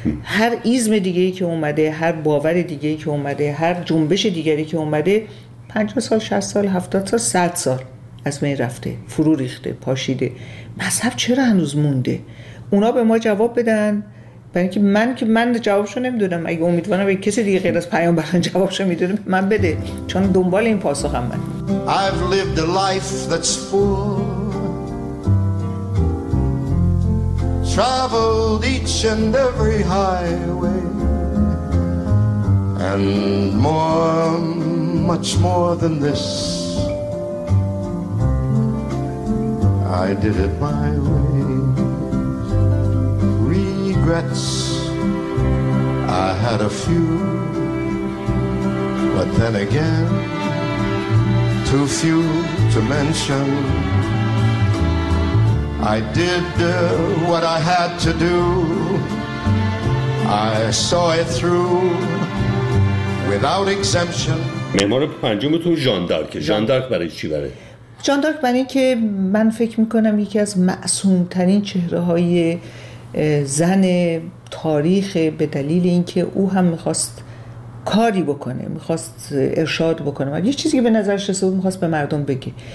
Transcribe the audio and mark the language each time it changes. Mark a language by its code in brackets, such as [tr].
[fa] هر ایزم دیگه‌ای که اومده، هر باور دیگه‌ای که اومده، هر جنبش دیگری که اومده، 50 سال، 60 سال، 70 سال، 100 سال از بین رفته، فرو ریخته، پاشیده. مذهب چرا هنوز مونده؟ اونا به ما جواب بدن، برای اینکه من که من جوابشو نمیدونم. اگه امیدوارم یک کسی دیگه غیر از پیامبران جوابشو میدونه من بده، چون دنبال این پاسخم من. [en] I've lived a life that's full. Traveled each and every highway and more, much more than this. I did it my way. Regrets I had a few, but then again, too few to mention. I did what I had to do. I saw it through without exemption. [fa] معمار پنجمتون ژان دارک. ژان دارک برای چی بره؟ ژان دارک برای این که من فکر میکنم یکی از معصومترین چهره های زن تاریخ، به دلیل اینکه او هم میخواست کاری بکنه، میخواست ارشاد بکنه، و یه چیزی که به نظرش رسید میخواست به مردم بگه.